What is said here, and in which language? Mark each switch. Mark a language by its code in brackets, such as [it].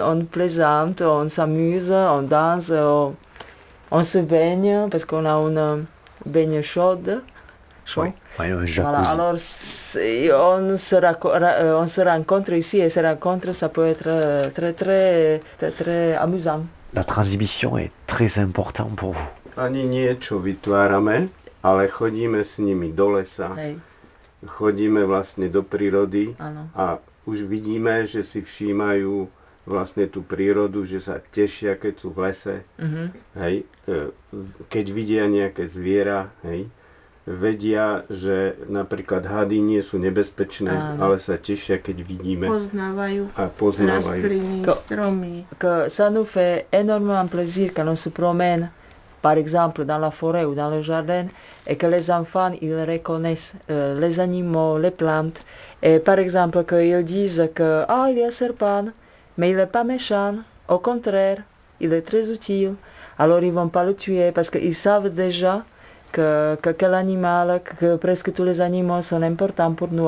[fr] On plaisante, on s'amuse, on danse, on se baigne parce qu'on a une baigne chaude. Ouais, un jacuzzi. Voilà, alors on se rencontre ici et se rencontre, ça peut être très, très très très amusant. La transmission est très importante pour vous. [sk] Ani niečo vytvárame, ale chodíme s nimi do lesa. Hej. Chodíme vlastne do prírody. Ano. A už vidíme, že si všímajú vlastne tú prírodu, že sa tešia, keď sú v lese. Uh-huh. Hej. Keď vidia nejaké zviera, hej. Vedia, že napríklad hady nie sú nebezpečné, áno. Ale sa tešia, keď vidíme. Poznávajú rastliny, stromy. [fr] Ça nous fait énormément plaisir quand on se promène par exemple dans la forêt ou dans le jardin, et que les enfants ils reconnaissent les animaux, les plantes, et par exemple qu'ils disent que ah, il y a un serpent, mais il n'est pas méchant, au contraire, il est très utile, alors ils ne vont pas le tuer parce qu'ils savent déjà quel animal, que presque tous les animaux sont importants pour nous.